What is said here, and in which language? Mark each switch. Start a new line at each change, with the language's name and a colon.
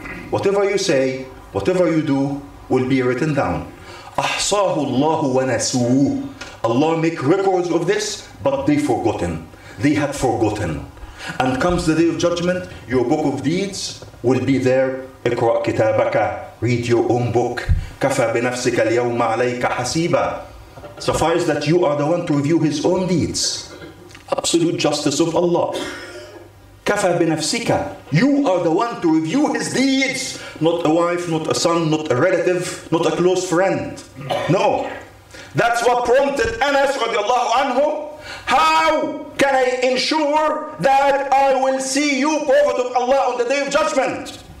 English: Whatever you say, whatever you do, will be written down.
Arabic: أحصاه الله ونسوه.
English: Allah make records of this, but they forgotten. They had forgotten. And comes the day of judgment, your book of deeds will be there.
Arabic: اقرأ كتابك.
English: Read your own book.
Arabic: كفى بنفسك اليوم عليك حسيبا.
English: Suffice that you are the one to review his own deeds. Absolute justice of Allah.
Arabic: كفى بنفسك.
English: You are the one to review his deeds, not a wife, not a son, not a relative, not a close friend. No. That's what prompted Anas
Arabic: رضي الله عنه.
English: How can I ensure that I will see you, Prophet of Allah, on the day of judgment?